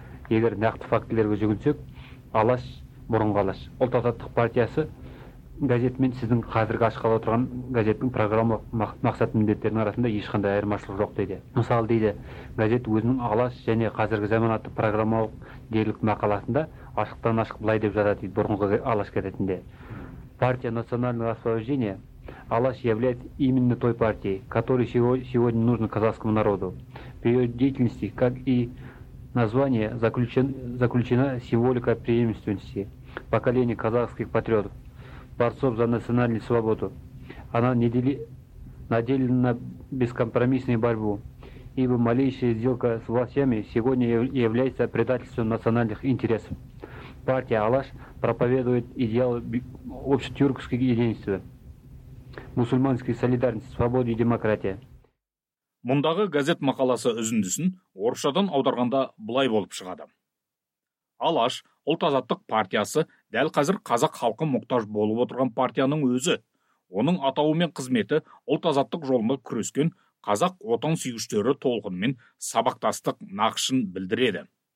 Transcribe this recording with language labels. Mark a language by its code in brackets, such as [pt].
[kk] Егер нақты фактілерге жүгінсек, Алаш бұрынғы Алаш ұлт азаттық партиясы газетімен сіздің қазіргі ашқалы отырған газеттің программа мақсат міндеттерінің арасында ешқандай айырмашылық жоқ дейді. Мысалы дейді, газет өзінің Алаш және қазіргі заман атты программалық дерлік мақаласында ашықтан ашық былай деп жазады дейді бұрынғы Алаш газетінде. [ru] Партия национального освобождения Алаш являет именно той партией, которой сегодня нужно казахскому народу. В ее деятельности, как и название, заключена символика преемственности поколения казахских патриотов, борцов за национальную свободу. Она наделена на бескомпромиссную борьбу, ибо малейшая сделка с властями сегодня является предательством национальных интересов. Партия Алаш проповедует идеал общетюркских единства, мусульманской солидарности, свободы и демократии. [kk] Мұндағы газет мақаласы үзіндісін орысшадан аударғанда былай болып шығады. Алаш ұлт азаттық партиясы дәл қазір қазақ халқы мұқтаж болып отырған партияның өзі. Оның атауы мен қызметі ұлт азаттық жолында күрескен қазақ отан сүйгіштері толқынымен сабақтастық нақышын білдіреді.